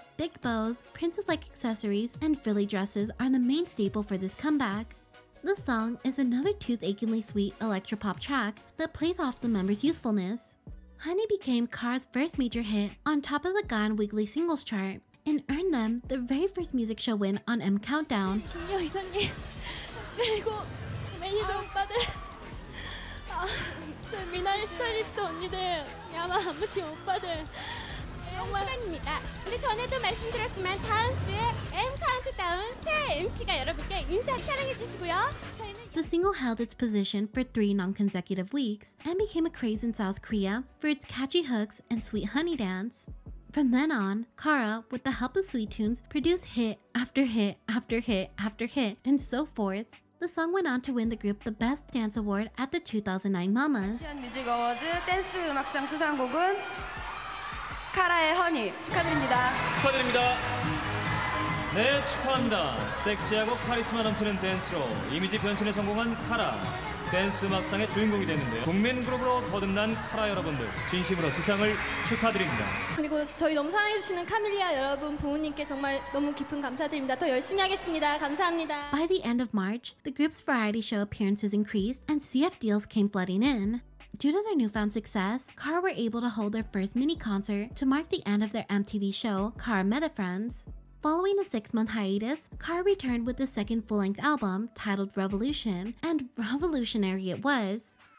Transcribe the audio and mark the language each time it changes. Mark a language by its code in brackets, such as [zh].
[en] Big bows, princess-like accessories, and frilly dresses are the main staple for this comeback. The song is another tooth-achingly sweet electropop track that plays off the members' youthfulness. Honey became Kara's first major hit on top of the Gaon Weekly Singles Chart and earned them the very first music show win on M Countdown. [ko] 김여 이사님, 그리고 매니저 오빠들, 아, 미나리 스타일리스트 언니들, 야마 아무튼 오빠들, 정말 축하드립니다. 근데 전에도 말씀드렸지만 다음 주에 M Countdown 새 MC가 여러분께 인사 사랑해 주시고요. [en] The single held its position for 3 non-consecutive weeks and became a craze in South Korea for its catchy hooks and sweet honey dance. From then on, Kara, with the help of Sweet Tunes, produced hit after hit after hit after hit and so forth. The song went on to win the group the Best Dance Award at the 2009 Mamas. [ko] Asian Music Awards 댄스 음악상 수상곡은 카라의 허니 축하드립니다. 축하드립니다. 네, 축하합니다. 섹시하고 카리스마 넘치는 댄스로 이미지 변신에 성공한 카라. 댄스 음악상의 주인공이 됐는데요. 국민 그룹으로 거듭난 카라 여러분들 진심으로 수상을 축하드립니다. 그리고 저희 너무 사랑해주시는 카밀리아 여러분 부모님께 정말 너무 깊은 감사드립니다. 더 열심히 하겠습니다. 감사합니다. [en] By the end of March, the group's variety show appearances increased and CF deals came flooding in. Due to their newfound success, KARA were able to hold their first mini-concert to mark the end of their MTV show, KARA Meta Friends. Following a six-month hiatus, KARA returned with the second full-length album, titled Revolution, and revolutionary it was.